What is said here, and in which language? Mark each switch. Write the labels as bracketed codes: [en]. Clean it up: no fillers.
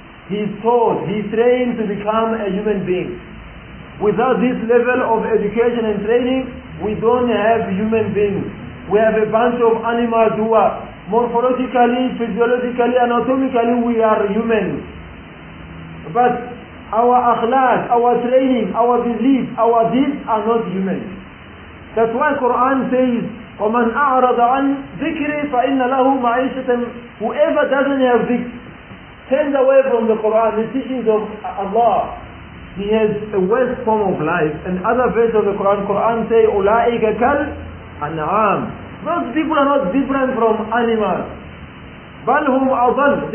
[en] he's taught, he's trained to become a human being. Without this level of education and training, we don't have human beings. We have a bunch of animals who are morphologically, physiologically, anatomically, we are humans. But our akhlaq, our training, our belief, our deeds are not human. That's why Quran says, [ar] وَمَنْ أَعْرَضَ عَنْ ذِكْرِ فَإِنَّ لَهُ مَعِيشَةً. [en] Whoever doesn't have dhikr, turns away from the Quran, the teachings of Allah, he has a worse form of life. And other verses of the Quran, Quran say, [ar] أُولَٰئِكَ كَلْ أَنْعَامِ. [en] Those people are not different from animals. [ar] بَلْ هُمْ أَضَلْ.